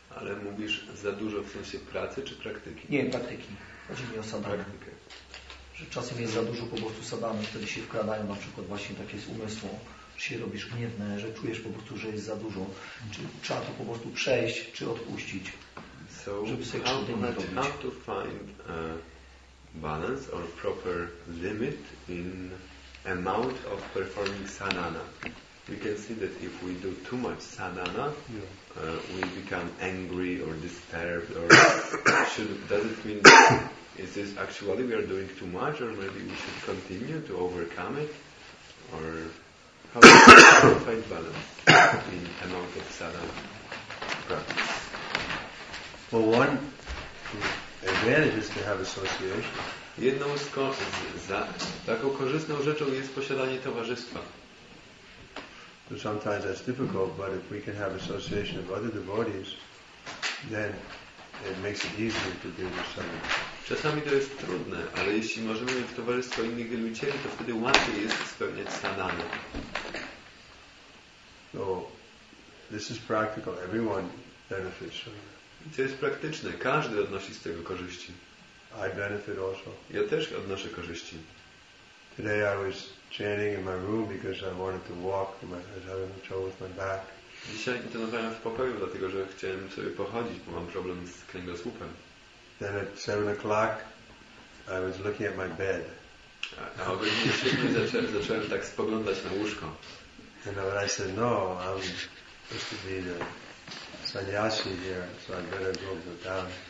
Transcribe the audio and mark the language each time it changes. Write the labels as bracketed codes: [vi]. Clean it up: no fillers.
[pl] Ale mówisz za dużo w sensie pracy czy praktyki? Nie, praktyki. Chodzi mi o sadhanę. Że czasem jest za dużo po prostu sadhany, wtedy się wkradają na przykład właśnie takie z umysłu, czy się robisz gniewne, że czujesz po prostu, że jest za dużo. Czy trzeba to po prostu przejść, czy odpuścić, żeby sobie krzywdy nie robić? [en] How to find a balance or proper limit in amount of performing sanana. We can see that if we do too much sadhana, we become angry or disturbed. Or does it mean that is this actually we are doing too much, or maybe we should continue to overcome it, or how do we find balance in amount of sadhana practice? Well, one advantage is to have association. [pl] Jedną z taką korzystną rzeczą jest posiadanie towarzystwa. [en] So sometimes that's difficult, but if we can have association of other devotees, then it makes it easier to do this sadhana. [pl] Czasami to jest trudne, ale jeśli możemy w towarzystwo innych wielbicieli, to wtedy łatwiej jest spełniać sadhana. [en] So, this is practical. Everyone benefits from it. [pl] To jest praktyczne. Każdy odnosi z tego korzyści. [en] I benefit also. [pl] Ja też odnoszę korzyści. [en] Today I was chanting in my room because I wanted to walk. I was having trouble with my back. [pl] Dzisiaj intonowałem w pokoju, dlatego że chciałem sobie pochodzić, bo mam problem z kręgosłupem. [en] Then at 7 o'clock, I was looking at my bed. [pl] A o godzinie 7 zacząłem tak spoglądać na łóżko. [en] And then I said, no, I'm supposed to be the sannyasi here, so I better go down.